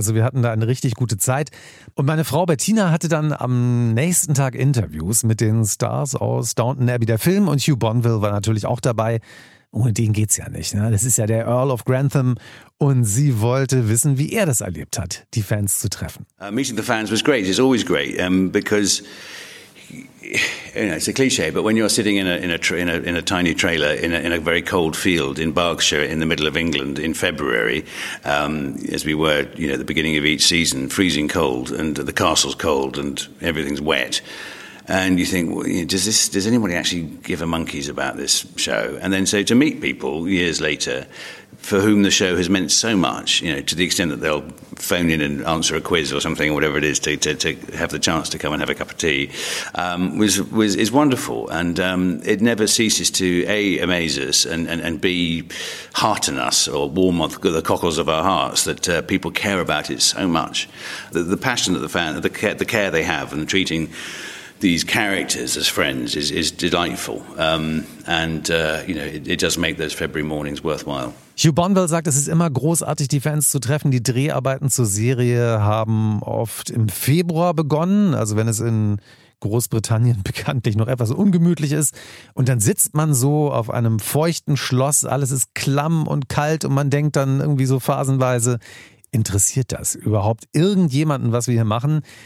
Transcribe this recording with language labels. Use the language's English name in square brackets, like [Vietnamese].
[German] Also wir hatten da eine richtig gute Zeit. Und meine Frau Bettina hatte dann am nächsten Tag Interviews mit den Stars aus Downton Abbey, der Film, und Hugh Bonneville war natürlich auch dabei. Ohne den geht's ja nicht. Ne? Das ist ja der Earl of Grantham. Und sie wollte wissen, wie er das erlebt hat, die Fans zu treffen. [English] Meeting the fans was great. It's always great, because... You know, it's a cliche, but when you're sitting in a tiny trailer in a very cold field in Berkshire in the middle of England in February, as we were, you know, at the beginning of each season, freezing cold, and the castle's cold, and everything's wet, and you think, well, you know, does anybody actually give a monkey's about this show? And then so to meet people years later, for whom the show has meant so much, you know, to the extent that they'll phone in and answer a quiz or something, whatever it is, to have the chance to come and have a cup of tea, is wonderful. And it never ceases to, A, amaze us, and B, hearten us or warm the cockles of our hearts that people care about it so much. The passion that the fan, the care they have and treating these characters as friends is delightful. It does make those February mornings worthwhile. [German] Hugh Bonneville sagt, es ist immer großartig, die Fans zu treffen. Die Dreharbeiten zur Serie haben oft im Februar begonnen, also wenn es in Großbritannien bekanntlich noch etwas ungemütlich ist. Und dann sitzt man so auf einem feuchten Schloss, alles ist klamm und kalt und man denkt dann irgendwie so phasenweise, interessiert das überhaupt irgendjemanden, was wir hier machen?